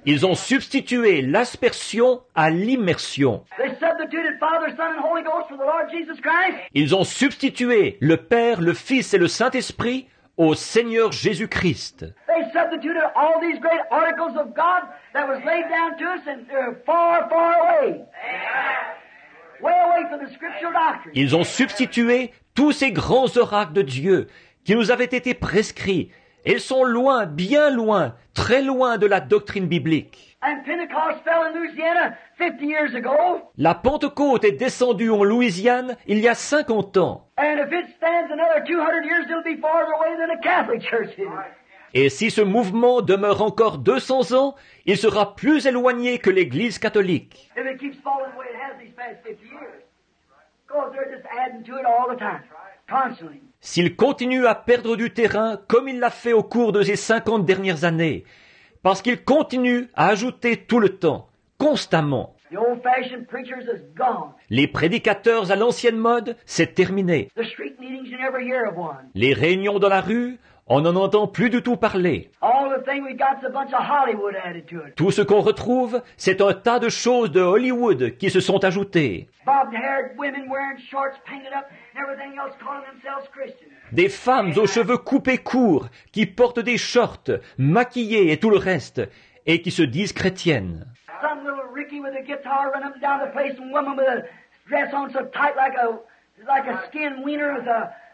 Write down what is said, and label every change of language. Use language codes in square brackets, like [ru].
[fr] Ils ont substitué l'aspersion à l'immersion. [en] They substituted Father, Son, and Holy Ghost for the Lord Jesus Christ. [fr] Ils ont substitué le Père, le Fils et le Saint-Esprit au Seigneur Jésus-Christ. [en] They substituted all these great articles of God that was laid down to us and they're far, far away. Way away from the scriptural doctrine. [fr] Ils ont substitué tous ces grands oracles de Dieu qui nous avaient été prescrits. Ils sont loin, bien loin, très loin de la doctrine biblique. [en] And Pentecost fell in Louisiana 50 years ago. [fr] La Pentecôte est descendue en Louisiane il y a 50 ans. [en] And if it stands another 200 years, it'll be farther away than a Catholic church is. [fr] Et si ce mouvement demeure encore 200 ans, il sera plus éloigné que l'Église catholique. [en] If it keeps falling the way it has these past 50 years, because they're just adding to it all the time, constantly. [fr] S'il continue à perdre du terrain comme il l'a fait au cours de ces 50 dernières années, parce qu'il continue à ajouter tout le temps, constamment. [en] The old-fashioned preachers is gone. [fr] Les prédicateurs à l'ancienne mode, c'est terminé. [en] The street meetings you never hear of one. [fr] Les réunions dans la rue, on n'en entend plus du tout parler. [en] All the thing we got's a bunch of Hollywood added to it. [fr] Tout ce qu'on retrouve, c'est un tas de choses de Hollywood qui se sont ajoutées. [en] Bob-haired women wearing shorts painted up and everything else calling themselves Christians. [fr] Des femmes aux cheveux coupés courts qui portent des shorts, maquillées et tout le reste, et qui se disent chrétiennes. [en] Some little Ricky with a guitar running down the place, and woman with a dress on so tight like a skin wiener with a